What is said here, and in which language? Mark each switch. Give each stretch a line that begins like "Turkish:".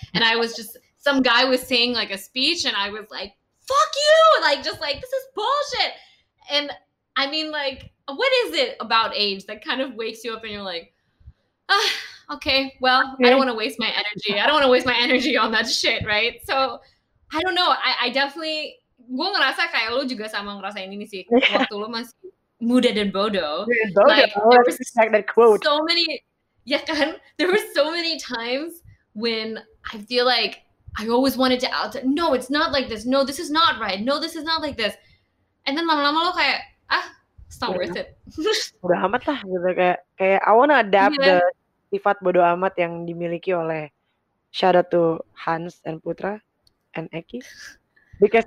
English: And I was just, some guy was saying like a speech and I was like, fuck you! Like, just like, this is bullshit! And I mean, like, what is it about age that kind of wakes you up and you're like, ah, okay, well, I don't want to waste my energy. I don't want to waste my energy on that shit, right? So, I don't know. I definitely,
Indonesian: gue ngerasa kayak lo juga sama ngerasain ini sih. Waktu lo masih muda dan bodoh.
English: There were so many times when I feel like I always wanted to out. No, it's not like this. No, this is not right. No, this is not like this. And then
Indonesian: lama-lama lo kayak,
English: it's not worth it.
Indonesian: Udah amat lah gitu, kayak
English: I wanna adapt the
Indonesian: sifat bodo amat yang dimiliki oleh
English: shout out to Hans and Putra and Eki. Because